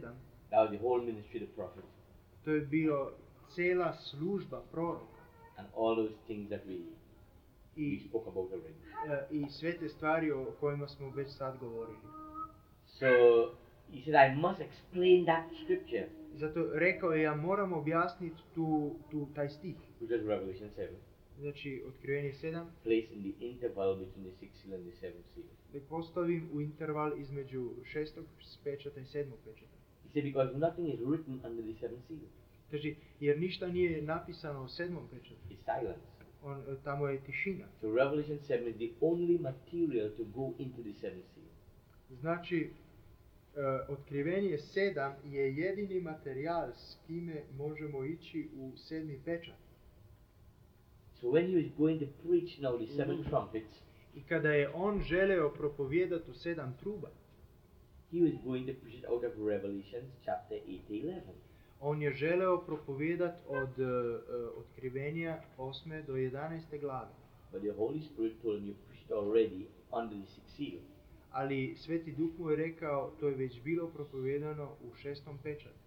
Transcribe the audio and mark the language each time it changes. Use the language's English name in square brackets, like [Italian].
[English] That was the whole ministry of the prophet. [Croatian] To je bio cela služba proroka. [English] And all those things that we spoke about already. [Croatian] I sve te stvari o kojima smo već sad govorili. [English] So he said, I must explain that scripture. [Croatian] Zato rekao je, ja moram objasniti tu taj stih. [English] Which is Revelation 7. [Croatian] Znači, Otkrivenje 7. [English] Place in the interval between the sixth seal and the seventh seal. [Croatian] Da postavim u interval između šestog pečata i sedmog pečata. [English] He said, because nothing is written under the seventh seal. [Croatian] Kaže, jer ništa nije napisano u sedmom pečatu. [English] It's silence. [Croatian] On, tamo je tišina. [English] So Revelation 7 is the only material to go into the seventh seal. [Croatian] Znači, Otkrivenje 7 je jedini materijal s kime možemo ići u sedmi pečat. [English] So when he was going to preach now the seven trumpets, [Croatian] i kada je on želeo propovijedati u sedam truba, [English] he was going to preach out of Revelation chapter 8-11. [Croatian] On je želeo propovijedat od Otkrivenja 8. do 11. glave. [English] But the Holy Spirit told him you preached already under the sixth seal. [Croatian] Ali Sveti Duh mu je rekao, to je već bilo propovijedano u šestom pečatu.